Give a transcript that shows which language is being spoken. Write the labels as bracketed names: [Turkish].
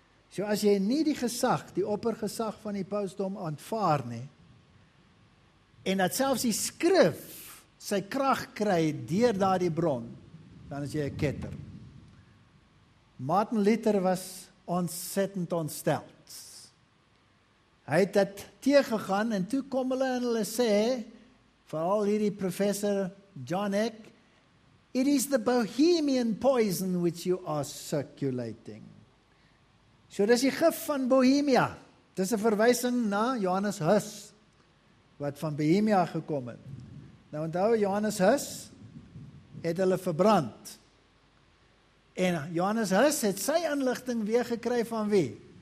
[Afrikaans] So as jy nie die gesag, die oppergesag van die pausdom aanvaar nie, en dat selfs die skrif sy krag kry deur daardie bron, dan is jy 'n ketter. Martin Luther was ontsettend ontsteld. Hy het dit teëgegaan en toe kom hulle en hulle sê, vooral hierdie professor John Eck, [English] It is the bohemian poison which you are circulating. [Afrikaans] So dis die gif van Bohemia. Dis 'n verwysing na Johannes Hus wat van Bohemia gekom het. Nou onthou Johannes Hus het hulle verbrand. En Johannes Hus het sy inligting weer gekry van wie?